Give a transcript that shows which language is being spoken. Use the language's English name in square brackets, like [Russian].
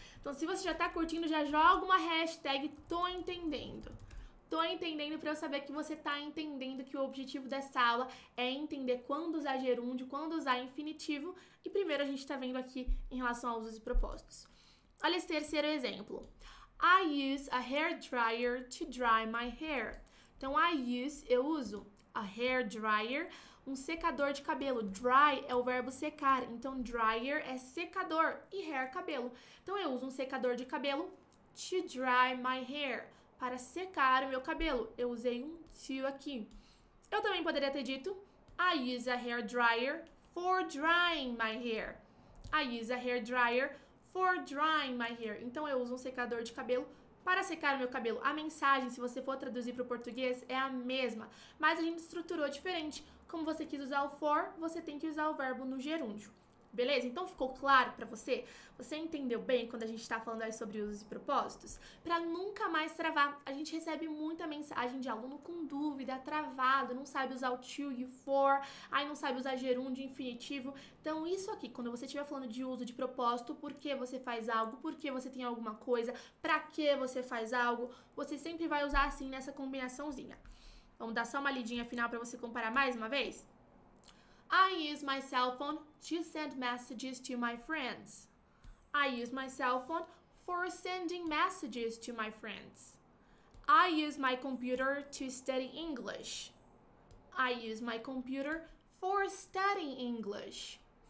[Portuguese] Então, se você já está curtindo, já joga uma hashtag tô entendendo. Tô entendendo para eu saber que você tá entendendo que o objetivo dessa aula é entender quando usar gerúndio, quando usar infinitivo. E primeiro a gente tá vendo aqui em relação aos usos e propósitos. Olha esse terceiro exemplo. [English] I use a hair dryer to dry my hair. [Portuguese] Então, [English] I use, [Portuguese] eu uso [English] a hair dryer, [Portuguese] um secador de cabelo. Dry é o verbo secar. Então, dryer é secador e hair, cabelo. Então, eu uso um secador de cabelo [English] to dry my hair. [Portuguese] Para secar o meu cabelo, eu usei um to aqui. Eu também poderia ter dito [English] I use a hair dryer for drying my hair. I use a hair dryer for drying my hair. [Portuguese] Então eu uso um secador de cabelo para secar o meu cabelo. A mensagem, se você for traduzir para o português, é a mesma, mas a gente estruturou diferente. Como você quis usar o for, você tem que usar o verbo no gerúndio. Beleza? Então ficou claro para você? Você entendeu bem quando a gente está falando aí sobre usos e propósitos? Para nunca mais travar, a gente recebe muita mensagem de aluno com dúvida, travado, não sabe usar o to e o for, aí não sabe usar gerúndio, infinitivo. Então isso aqui, quando você estiver falando de uso de propósito, por que você faz algo, por que você tem alguma coisa, para que você faz algo, você sempre vai usar assim nessa combinaçãozinha. Vamos dar só uma lidinha final para você comparar mais uma vez? [English] I use my cell phone to send messages to my friends. I use my cell phone for sending messages to my friends. I use my computer to study English. I use my computer for studying English.